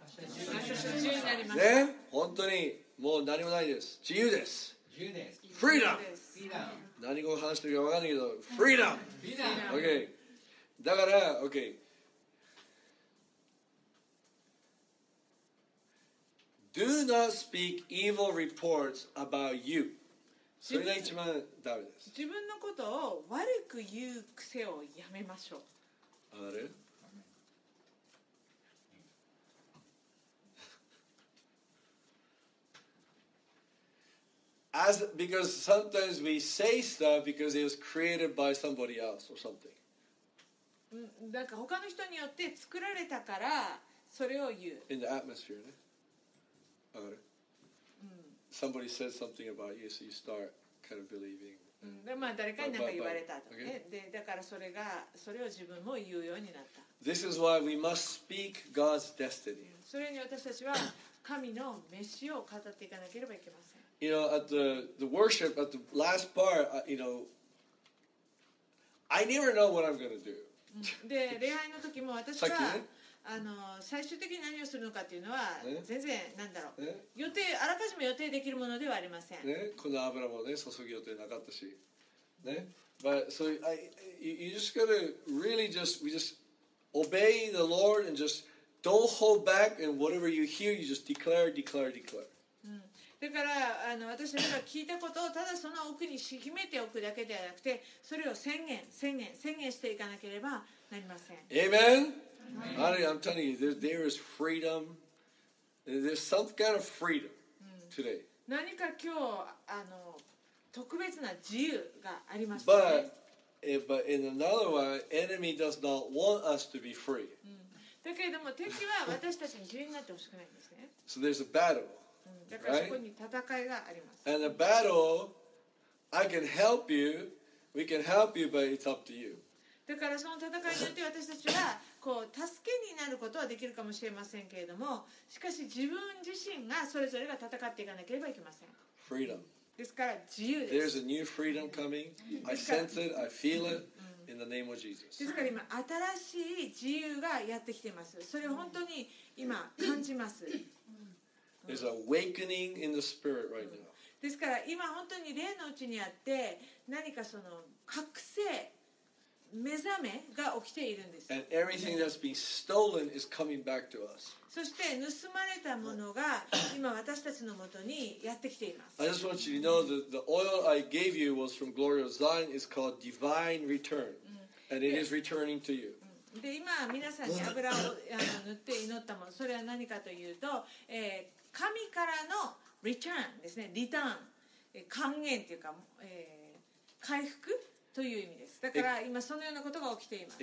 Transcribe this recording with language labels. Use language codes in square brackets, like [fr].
[ja] ね、本当にもう何もないです、自由です、フリーダム、何語を話してるか分かんないけどフリーダム、 OK、 だから OK、 [en] Do not speak evil reports about you、 [ja] それが一番ダメです、自分のことを悪く言う癖をやめましょう、 [en] あれAs, because sometimes we say stuff because it was created by somebody else or something. [ja] なんか他の人によって作られたからそれを言う。 [en] In the atmosphere, [ja] ね。わかる。 [en] Somebody said something about you, so you start kind of believing. [ja] まあ誰かに何か言われたとね。で、だからそれがそれを自分も言うようになった。 [en] This is why we must speak God's destiny. [ja] それに私たちは神の召しを語っていかなければいけません。 [en] You know, at the worship, at the last part, you know, I never know what I'm going to do. [ja] で、礼拝の時も私は、あの、最終的に何をするのかっていうのは、全然、なんだろう。予定、あらかじめ予定できるものではありません。ね、この油もね、注ぎ予定なかったし。ね。 [en] But, so, you just gotta really just, we just obey the Lord and just don't hold back and whatever you hear, you just declare, declare, declare. [ja] だからあの私たちが聞いたことをただその奥にしきめておくだけではなくて、それを宣言、宣言、宣言していかなければなりません。 [en] Amen? Honey, I'm telling you, there is freedom. There's some kind of freedom today. [ja] 何か今日あの特別な自由がありますね。 [en] But in another way, enemy does not want us to be free. [ja] だけれども敵は私たちに自由になってほしくないんですね。 [en] So there's a battle. Right? And a battle, I can help you, we can help you, but it's up to you. [ja] だからその戦いによって私たちはこう助けになることはできるかもしれませんけれども、しかし自分自身がそれぞれが戦っていかなければいけません。 [en] Freedom. [ja] ですから自由です。 [en] There's a new freedom coming. I sense it. I feel it. In the name of Jesus. [ja] ですから今新しい自由がやってきています。それを本当に今感じます。 [en] There's an awakening in the spirit right now. [ja] ですから今本当に霊のうちにあって何かその覚醒目覚めが起きているんです。 [en] And everything that's been stolen is coming back to us. [ja] そして盗まれたものが今私たちのもとにやってきています。 [en] I just want you to know that the oil I gave you was from Gloria Zion. It's called Divine Return. And it is returning to you. [ja] で今皆さんに油を塗って祈ったもの、それは何かというと、神からのリターンですね、リターン、還元というか、回復という意味です。だから今そのようなことが起きています。